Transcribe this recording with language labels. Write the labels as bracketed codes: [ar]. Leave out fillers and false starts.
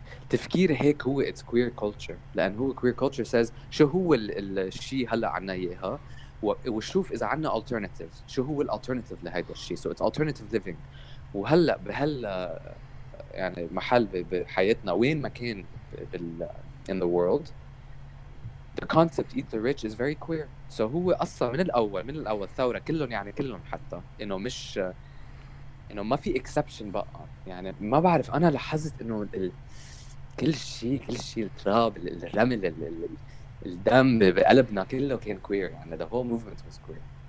[ar] تفكير هيك هو [en] it's queer culture، [ar] لأن هو [en] queer culture says [ar] شو هو الشيء هلا عنا إياها وشوف إذا عنا alternatives، شو هو alternative لهذا الشيء، [en] so it's alternative living. [ar] وهلا بهلا يعني محل بحياتنا وين ما كان بال [en] in the world the concept eat the rich is very queer. So [ar] هو أصلا من الأول ثورة كلهم يعني كلهم حتى إنه مش إنه ما في exception بقى يعني ما بعرف أنا لاحظت إنه كل شيء التراب الرمل الدم بقلبنا كله كان queer يعني [en] the whole movement was queer.